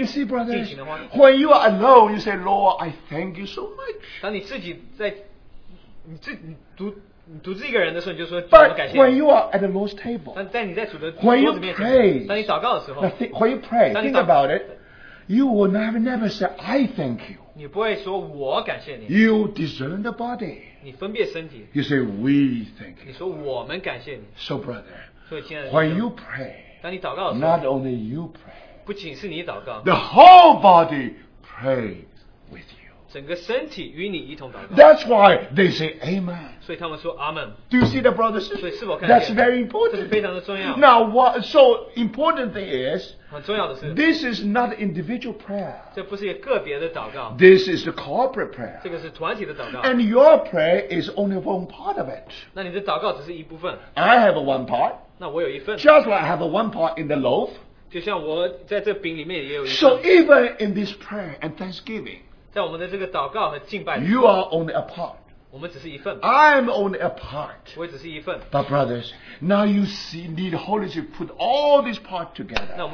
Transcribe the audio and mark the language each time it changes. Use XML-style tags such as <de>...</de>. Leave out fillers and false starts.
<en>you see, brothers, when you are alone, you say, Lord, I thank you so much.</en> <zh>当你自己在, 你读自己一个人的时候你就说,</zh> <en>but when you are at the Lord's table,</en> <zh>但你在主的桌子面前,</zh> <en>when you pray,</en> <zh>当你祷告的时候,</zh> <en>when you pray, think about it, you will never say, I thank you.</en> <zh>你不会说我感谢你,</zh> <en>you discern the body.</en> <zh>你分辨身体,</zh> <en>you say, we thank you.</en> <zh>你说我们感谢你,</zh> <en>so, brother,</en> <zh>所以亲爱的弟兄,</zh> <en>when you pray,</en> <zh>当你祷告的时候,</zh> <en>not only you pray,</en> <zh>不仅是你祷告,</zh> <en>the whole body prays. That's why they say Amen.</en> <zh>所以他们说, Amen.</zh> <en>Do you see the brothers?</en> <zh>所以是否看见?</zh> <en>That's very important.</en> <zh>这是非常的重要。</zh> <en>Now, what so important thing is,</en> <zh>很重要的是,</zh> <en>this is not individual prayer.</en> <zh>这不是一个个别的祷告,</zh> <en>this is the corporate prayer.</en> <zh>这个是团体的祷告,</zh> <en>and your prayer is only one part of it.</en> <zh>那你的祷告只是一部分,</zh> <en>I have one part.</en> <zh>那我有一份,</zh> <en>just like I have one part in the loaf.</en> <zh>就像我在这饼里面也有一份,</zh> <en>so even in this prayer and thanksgiving,</en> <zh>在我们的这个祷告和敬拜,</zh> <en>you are only a part. I'm only a part. But brothers, now you see, need Holy Spirit put all these parts together.</en>